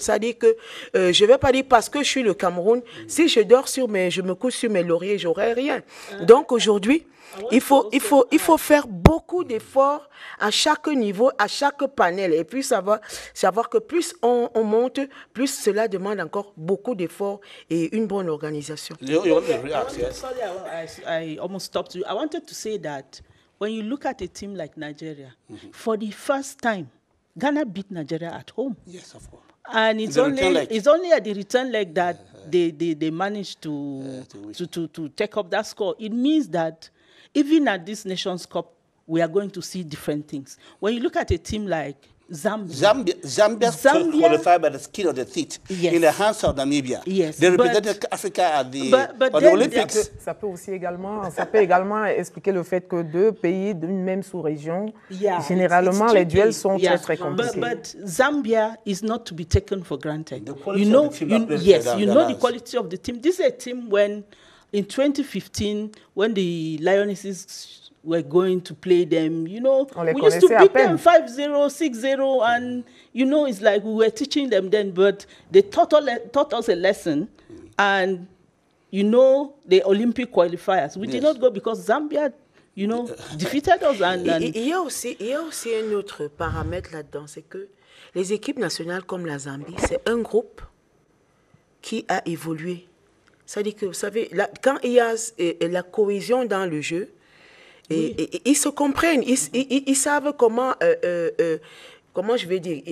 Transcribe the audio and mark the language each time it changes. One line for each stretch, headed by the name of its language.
French: C'est-à-dire que, je ne vais pas dire parce que je suis le Cameroun, si je dors sur je me couche sur mes lauriers, je n'aurai rien. Donc, aujourd'hui, il faut faire beaucoup d'efforts à chaque niveau, à chaque panel, et puis savoir que plus on monte, plus cela demande encore beaucoup d'efforts et une bonne organisation.
English: I almost stopped you. I wanted to say that when you look at a team like Nigeria, for the first time, Ghana beat Nigeria at home. Yes, of course. And it's only at the return leg that they managed to take up that score. It means that even at this Nations Cup, we are going to see different things. When you look at a team like Zambia qualified by the skin of the feet, yes, in the hands of Namibia. Yes, they represented Africa at the Olympics.
French: Ça peut également expliquer le fait que deux pays d'une même sous-région,
English: yeah,
French: généralement les duels sont yeah. très compliqués.
English: But Zambia is not to be taken for granted. The quality of the team, quality of the team. This is a team when in 2015, when the Lionesses were going to play them, you know, we used to beat them 5-0, 6-0, and, you know, it's like we were teaching them then, but they taught us a lesson, and, you know, the Olympic qualifiers. We did not go because Zambia, you know, defeated us.
French: Il y a aussi un autre paramètre là-dedans, c'est que les équipes nationales comme la Zambie, c'est un groupe qui a évolué. Ça dit que, vous savez, là, quand il y a la cohésion dans le jeu, et ils se comprennent, ils savent comment je vais dire.